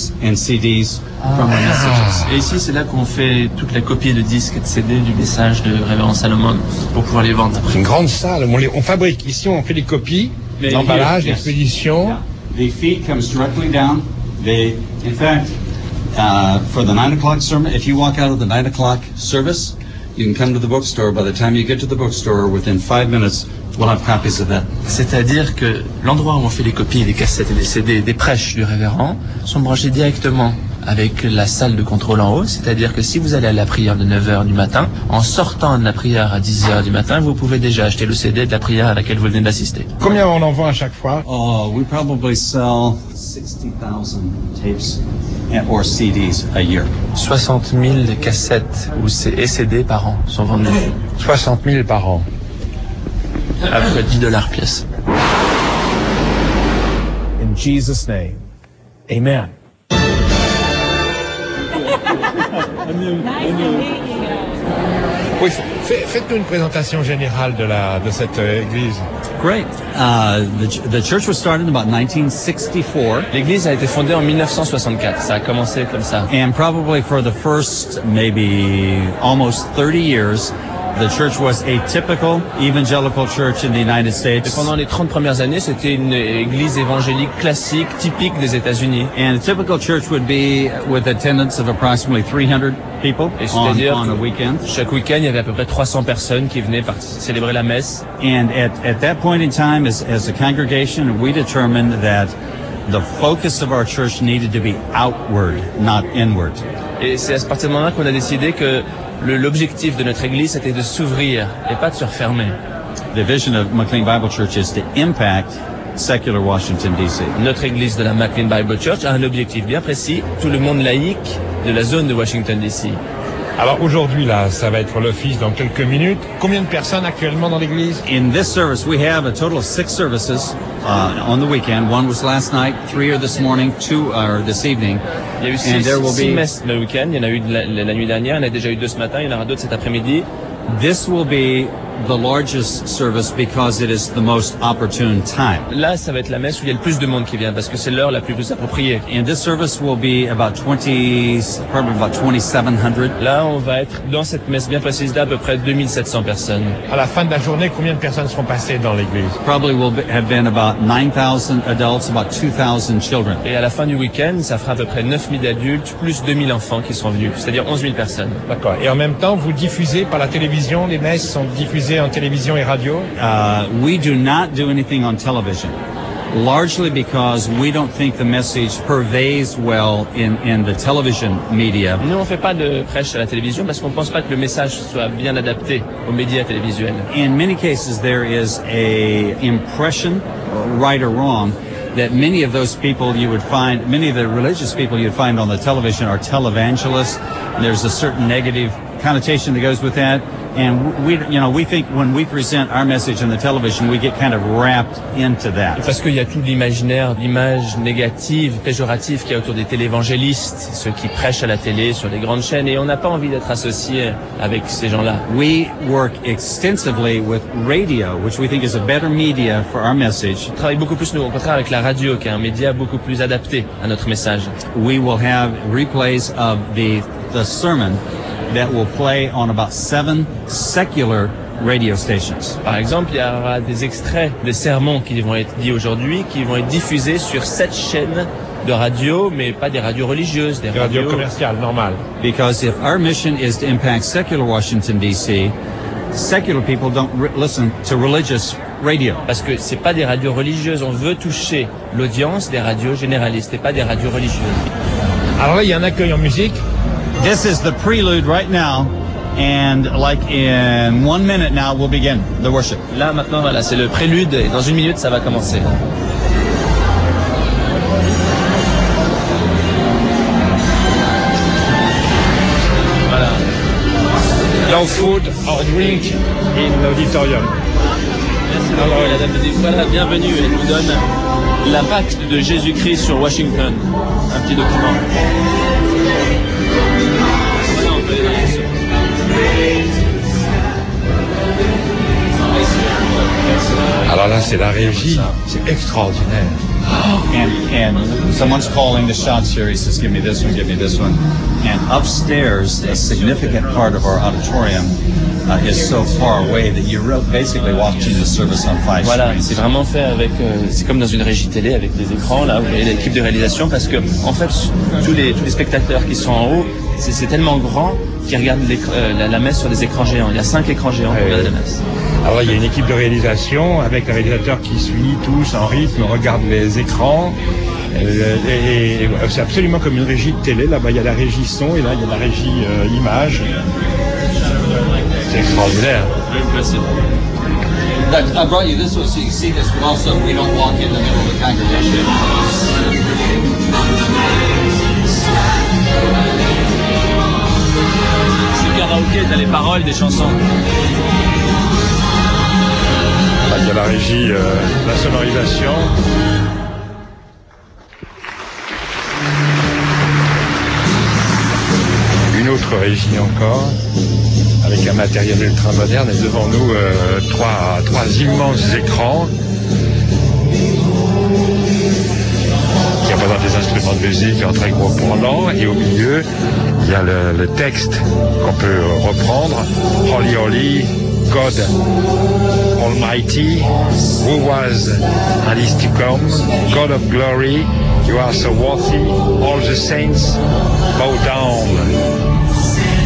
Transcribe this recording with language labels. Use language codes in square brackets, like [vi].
[en] We reproduce the tapes and CDs from our messages. [fr] Et ici, c'est là qu'on fait toute la copie de disques et de CD du message de Révérend Salomon pour pouvoir les vendre après. Une grande salle. On fabrique. Ici, on fait des copies, l'emballage, l'expédition. [en] The feed comes directly down. In fact, for the 9 o'clock sermon, if you walk out of the 9 o'clock service, you can come to the bookstore. By the time you get to the bookstore, within 5 minutes, we'll have copies of that. [fr] C'est-à-dire que l'endroit où on fait les copies, les cassettes et les CD des prêches du révérend sont branchés directement avec la salle de contrôle en haut, c'est-à-dire que si vous allez à la prière de 9h du matin, en sortant de la prière à 10h du matin, vous pouvez déjà acheter le CD de la prière à laquelle vous venez d'assister. Combien on en vend à chaque fois? [en] Oh, we probably sell 60,000 tapes or CDs a year. [fr] 60 000 cassettes ou CD par an sont vendues. 60 000 par an. À près de $10 pièce. [en] In Jesus' name, amen. [fr] Oui, faites-nous une présentation générale de cette église. [en] Great. The church was started in about 1964. [fr] L'église a été fondée en 1964. Ça a commencé comme ça. [en] And probably for the first maybe almost 30 years, the church was a typical evangelical church in the United States. [fr] Et pendant les 30 premières années, c'était une église évangélique classique, typique des États-Unis. [en] And a typical church would be with attendance of approximately 300 people on a weekend. [fr] Chaque week-end, il y avait à peu près 300 personnes qui venaient célébrer la messe. [en] And at that point in time, as a congregation, we determined that the focus of our church needed to be outward, not inward. [fr] Et c'est à partir de là qu'on a décidé que l'objectif de notre église était de s'ouvrir et pas de se refermer. [en] The vision of McLean Bible Church is to impact secular Washington D.C. [fr] Notre église de la McLean Bible Church a un objectif bien précis, tout le monde laïque de la zone de Washington D.C. Alors aujourd'hui là, ça va être l'office dans quelques minutes. Combien de personnes actuellement dans l'église? [en] In this service, we have a total of 6 services on the weekend. One was last night, 3 are this morning, 2 are this evening. [fr] Il y a eu 6 messes le week-end. Il y en a eu la nuit dernière. Il y en a déjà eu 2 ce matin. Il y en aura 2 cet après-midi. [en] This will be the largest service because it is the most opportune time. [fr] Là, ça va être la messe où il y a le plus de monde qui vient parce que c'est l'heure la plus appropriée. [en] And this service will be about 2700. [fr] Là, on va être dans cette messe bien précise d'à peu près 2700 personnes. À la fin de la journée, combien de personnes seront passées dans l'église? [en] Probably will have been about 9000 adults, about 2000 children. [fr] Et à la fin du week-end, ça fera à peu près 9000 adultes plus 2000 enfants qui seront venus, c'est-à-dire 11000 personnes. D'accord. Et en même temps, vous diffusez par la télévision, les messes sont diffusées en télévision et radio? [en] We do not do anything on television. Largely because we don't think the message pervades well in the television media. [fr] Nous, on fait pas de prêche à la télévision parce qu'on pense pas que le message soit bien adapté aux médias télévisuels. [en] In many cases, there is a impression, right or wrong, that many of those people you would find, many of the religious people you'd find on the television are televangelists. There's a certain negative connotation that goes with that. And we think when we present our message on the television, we get kind of wrapped into that. [fr] Parce qu'il y a tout l'imaginaire, l'image négative, péjorative qui est autour des télévangélistes, ceux qui prêchent à la télé sur les grandes chaînes, et on n'a pas envie d'être associé avec ces gens-là. [en] We work extensively with radio, which we think is a better media for our message. [fr] On travaille beaucoup plus, nous, au contraire, avec la radio, qui est un média beaucoup plus adapté à notre message. [en] We will have replays of the sermon that will play on about 7 secular radio stations. [fr] Par exemple, il y aura des extraits des sermons qui vont être dits aujourd'hui, qui vont être diffusés sur 7 chaînes de radio, mais pas des radios religieuses, des radios commerciales, normal. [en] Because if our mission is to impact secular Washington D.C., secular people don't listen to religious radio. [fr] Parce que c'est pas des radios religieuses, on veut toucher l'audience des radios généralistes et pas des radios religieuses. Alors là, il y a un accueil en musique. [en] This is the prelude right now, and like in 1 minute now, we'll begin the worship. [fr] Là, maintenant, voilà, c'est le prélude, et dans une minute, ça va commencer. Voilà. [en] No food or drink in l'auditorium. [fr] Merci beaucoup, la dame de Dupois, la bienvenue, elle nous donne l'impact de Jésus-Christ sur Washington. Un petit document. Alors là, c'est la régie. C'est extraordinaire. [en] And someone's calling the shots here. He says, give me this one, give me this one. And upstairs, a significant part of our auditorium is so far away that you're basically watching the service on 5 screens. [fr] Voilà, c'est vraiment fait avec... c'est comme dans une régie télé avec des écrans, là, vous voyez l'équipe de réalisation, parce que, en fait, tous les spectateurs qui sont en haut, c'est tellement grand qu'ils regardent la messe sur des écrans géants. Il y a 5 écrans géants pour regarder la messe. Alors, il y a une équipe de réalisation avec un réalisateur qui suit tous en rythme, regarde les écrans. Et c'est absolument comme une régie de télé. Là-bas, il y a la régie son et là, il y a la régie image. C'est extraordinaire. [en] I brought you this one so you can see this, but also we don't walk in the middle of the congregation. [fr] C'est karaoké, t'as les paroles des chansons. Il y a la régie, la sonorisation. Une autre régie encore. Avec un matériel ultra moderne et devant nous trois immenses écrans qui représentent des instruments de musique en très gros pendant et au milieu il y a le texte qu'on peut reprendre. [en] Holy, holy, God Almighty, who was and is to come, God of glory, you are so worthy, all the saints bow down.